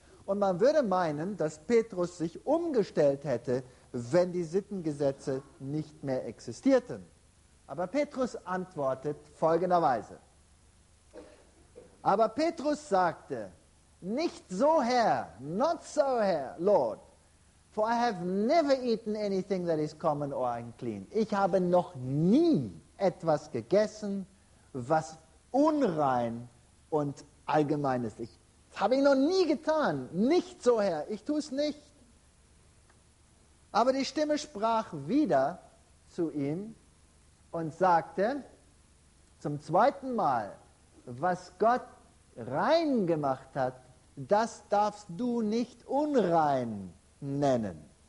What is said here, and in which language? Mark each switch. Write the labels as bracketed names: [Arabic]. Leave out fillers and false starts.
[German] Und man würde meinen, dass Petrus sich umgestellt hätte, wenn die Sittengesetze nicht mehr existierten. Aber Petrus antwortet folgenderweise. Aber Petrus sagte, nicht so, Herr, [English] not so, [German] Herr, Lord. [English] For I have never eaten anything that is common or unclean. [German] Ich habe noch nie etwas gegessen, was unrein und allgemein ist. Das habe ich noch nie getan. Nicht so, Herr. Ich tue es nicht. Aber die Stimme sprach wieder zu ihm und sagte zum zweiten Mal, was Gott rein gemacht hat, das darfst du nicht unrein nennen.